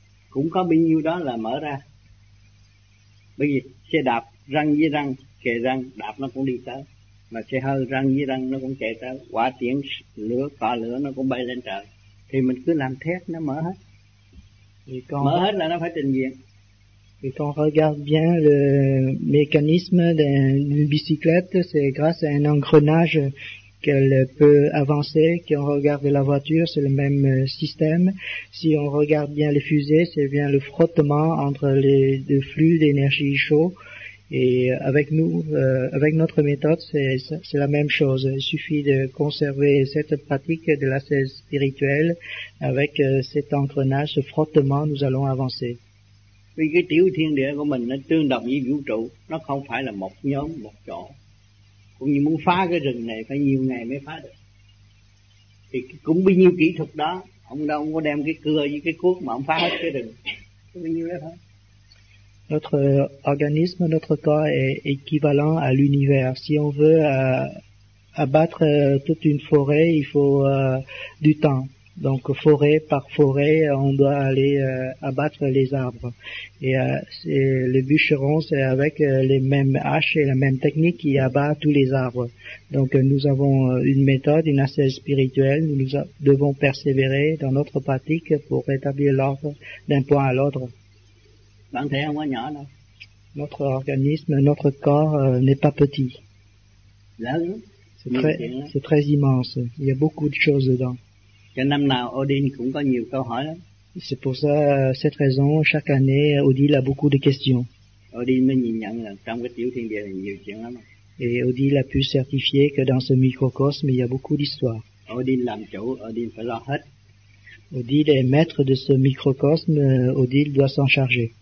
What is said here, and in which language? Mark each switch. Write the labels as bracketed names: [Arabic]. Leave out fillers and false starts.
[Vietnamese] Cũng có bao nhiêu đó là mở ra. Bởi vì xe đạp răng với răng, kề răng, đạp nó cũng đi tới. Mà xe hơi răng với răng nó cũng kề tới. Quả tiễn lửa, cọ lửa nó cũng bay lên trời. Thì mình cứ làm thét nó mở hết. Mở hết là nó phải trình diện. [French] Et quand on regarde bien le mécanisme d'une bicyclette, c'est grâce à un engrenage qu'elle peut avancer. Quand on regarde la voiture, c'est le même système. Si on regarde bien les fusées, c'est bien le frottement entre les deux flux d'énergie chaud. Et avec nous, avec notre méthode, c'est la même chose. Il suffit de conserver cette pratique de l'ascèse spirituelle avec cet engrenage, ce frottement, nous allons avancer. [Vietnamese] Vì cái tiểu thiên địa của mình nó tương đồng với vũ trụ, nó không phải là một nhóm, một chỗ. Cũng như muốn phá cái rừng này phải nhiều ngày mới phá được. Thì cũng bao nhiêu kỹ thuật đó, ông đâu có đem cái cưa với cái cuốc mà ông phá hết cái rừng. Cũng bao nhiêu đó thôi. [French] Notre organisme, notre corps est équivalent à l'univers. Si on veut abattre toute une forêt, il faut du temps. Donc forêt par forêt, on doit aller abattre les arbres. Et c'est le bûcheron, c'est avec les mêmes haches et la même technique qui abat tous les arbres. Donc nous avons une méthode, une ascèse spirituelle. Nous devons persévérer dans notre pratique pour rétablir l'ordre d'un point à l'autre. [Vietnamese] Bản thể không có nhỏ đâu. [French] Notre organisme, notre corps n'est pas petit. [Vietnamese] Lớn. [French] C'est très immense. Il y a beaucoup de choses dedans. [Vietnamese] Cái năm nào Odin cũng có nhiều câu hỏi lắm. [French] C'est pour ça, cette raison, chaque année, Odile a beaucoup de questions. [Vietnamese] Odin mới nhìn nhận là trong cái tiểu thiên địa là nhiều chuyện lắm. [French] Et Odile a pu certifier que dans ce microcosme, il y a beaucoup d'histoires. [Vietnamese] Odin làm chủ, Odin phải lo hết. [French] Odile est maître de ce microcosme, Odile doit s'en charger.